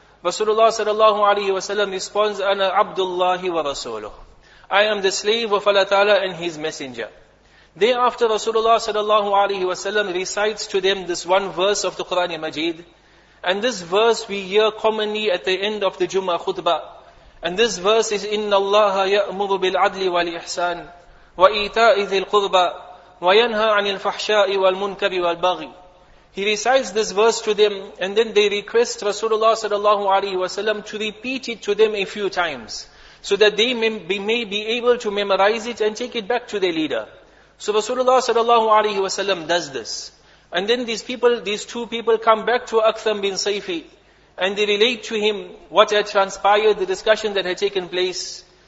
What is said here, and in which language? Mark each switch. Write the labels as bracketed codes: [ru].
[en] Rasulullah sallallahu alaihi wasallam responds, [ar] Ana Abdullahi wa Rasuluh. [en] I am the slave of Allah Ta'ala and his messenger. Thereafter, Rasulullah sallallahu alaihi wasallam recites to them this one verse of the Quran Majid. And this verse we hear commonly at the end of the Jummah khutbah. And this verse is, [ar] إِنَّ اللَّهَ يَأْمُرُ بِالْعَدْلِ وَالْإِحْسَانِ وَإِيْتَاءِ ذِي الْقُرْبَى وَيَنْهَى عَنِ الْفَحْشَاءِ وَالْمُنْكَرِ وَالْبَغِي. [en] He recites this verse to them, and then they request Rasulullah sallallahu alaihi wasallam to repeat it to them a few times, so that they may be able to memorize it and take it back to their leader. So Rasulullah sallallahu alaihi wasallam does this. And then these two people come back to Akhtham bin Sayfi and they relate to him what had transpired, the discussion that had taken place.